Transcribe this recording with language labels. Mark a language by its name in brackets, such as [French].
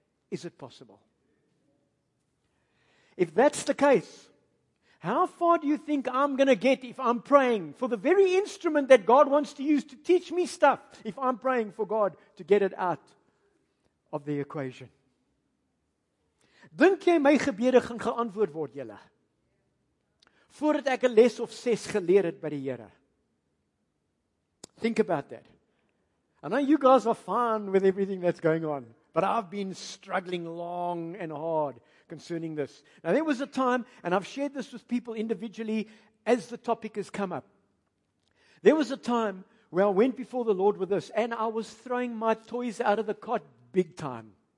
[English] Is it possible? If that's the case, how far do you think I'm going to get if I'm praying for the very instrument that God wants to use to teach me stuff, if I'm praying for God to get it out of the equation? [Afrikaans] Dink jy my gebede gaan geantwoord word, julle? Voordat ek 'n les of 6 geleer het by die Here. [English] Think about that. I know you guys are fine with everything that's going on, but I've been struggling long and hard concerning this. Now there was a time, and I've shared this with people individually as the topic has come up. There was a time where I went before the Lord with this, and I was throwing my toys out of the cot big time.